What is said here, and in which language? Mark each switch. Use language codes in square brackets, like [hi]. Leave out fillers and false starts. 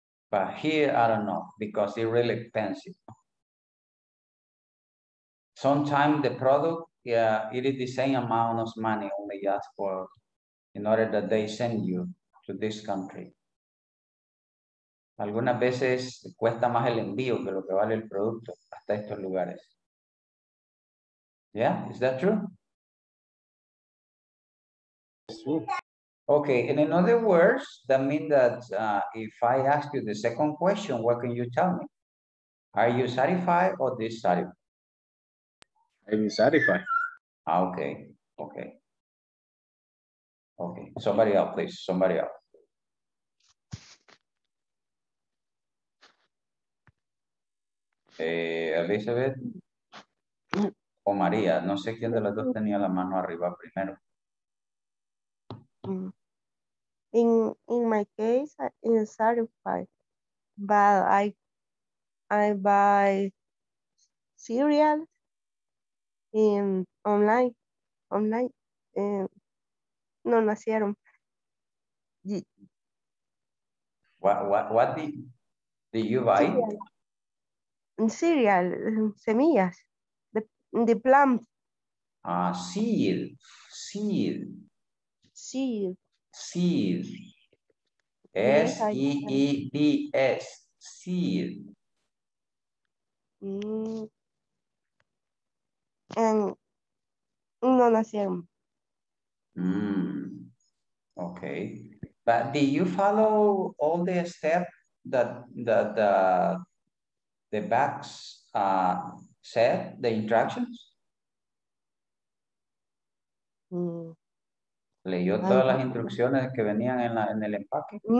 [en] But here, I don't know, because it's really expensive. Sometimes the product, it is the same amount of money only asked for in order that they send you to this country. [es] Algunas veces cuesta más el envío que lo que vale el producto hasta estos lugares. [en] Yeah, is that true? Okay, and in other words, that means that if I ask you the second question, what can you tell me? Are you satisfied or dissatisfied? I'm satisfied. Okay, okay. Okay, somebody else, please. Somebody else. Elizabeth? [es] O María, no sé quién de las dos tenía la mano arriba primero. [en] In my case, I'm satisfied, but I buy cereal in online, and [es] no nacieron. [en] What do you buy? Cereal, semillas, the plant. Seed. Seed. S-E-E-D-S. Seed. [es] And no nacieron. [en] Okay. But do you follow all the steps that the BECAS said, the instructions? [es] ¿Leyó todas las instrucciones que venían en el empaque?